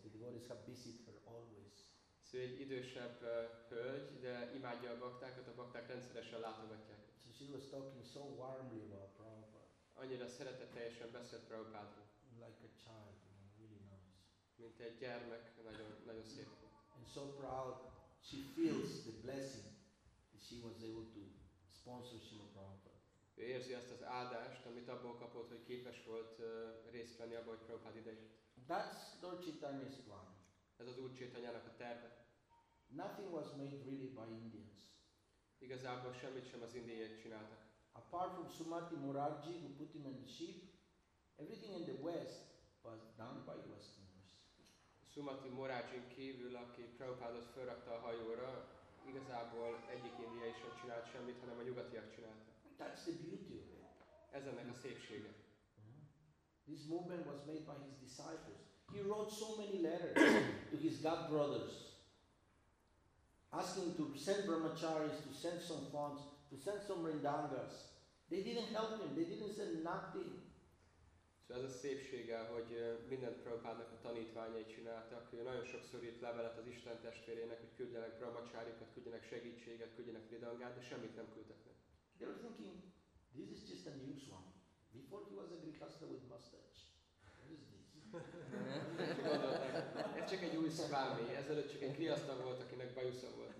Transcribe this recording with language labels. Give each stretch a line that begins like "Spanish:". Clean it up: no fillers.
English: The devotees have visited her always.
Hungarian: Szóval egy idősebb hölgy, de imádja a baktákat, a bakták rendszeresen látogatják.
English: So she was talking so warmly about Prabhupada.
Hungarian: Annyira szeretetteljesen beszélt Prabhupádról.
English: Like a child, you know, really nice.
Hungarian: Mint egy gyermek, nagyon, nagyon szép volt.
English: And so proud, she feels the blessing. She was able to sponsor Srila Prabhupada.
Hungarian: Ő érzi azt az áldást, amit abból kapott, hogy képes volt részt venni abban, hogy Prabhupada idejött.
English: That's Lord Chaitanya's plan.
Hungarian: Ez az Úr Chaitanyának a terve.
English: Nothing was made really by Indians.
Hungarian: Igazából semmit sem az indiaiak csináltak.
English: Apart from Sumati Morarji, who put him in the ship, everything in the West was done by Westerners.
Hungarian: Sumati Morarjin kívül, aki Prabhupádot felrakta a hajóra, igazából egyik indiai sem csinált semmit, hanem a nyugatiak csinálta.
English: That's the beauty of it.
Hungarian: Ez ennek a szépsége.
English: This movement was made by his disciples. He wrote so many letters to his god brothers, asking to send brahmacharis, to send some funds, to send some rindangas. They didn't help him, they didn't send nothing.
Hungarian: So ez a szépsége, hogy minden Prabhupádnak a tanítványai csináltak. Ő nagyon sokszor írt levelet az Isten testvérének, hogy küldjenek brahmacharikat, küldjenek segítséget, küldjenek ridangát, de semmit nem küldtek meg.
English: They were thinking, this is just a new swami. Before he was a grihastha with mustache. What is this?
Hungarian: Gondolták, csak egy új szvámi, ezelőtt csak egy kriasztag volt, akinek bajusza volt.